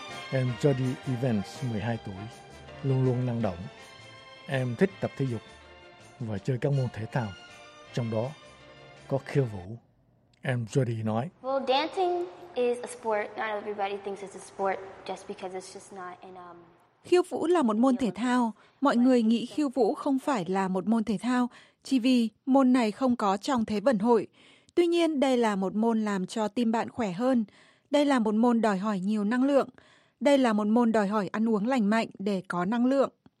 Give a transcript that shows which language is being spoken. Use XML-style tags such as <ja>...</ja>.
<vi>Em Jody Evans, 12 tuổi, luôn luôn năng động. Em thích tập thể dục và chơi các môn thể thao, trong đó có khiêu vũ. Em Jody nói:</vi> <en>"Well, dancing is a sport. Not everybody thinks it's a sport just because it's just not an</en> <vi>Khiêu vũ là một môn thể thao. Mọi người nghĩ khiêu vũ không phải là một môn thể thao, chỉ vì môn này không có trong Thế vận hội. Tuy nhiên, đây là một môn làm cho tim bạn khỏe hơn. Đây là một môn đòi hỏi nhiều năng lượng. Đây là một môn đòi hỏi ăn uống lành mạnh để có năng lượng."</vi>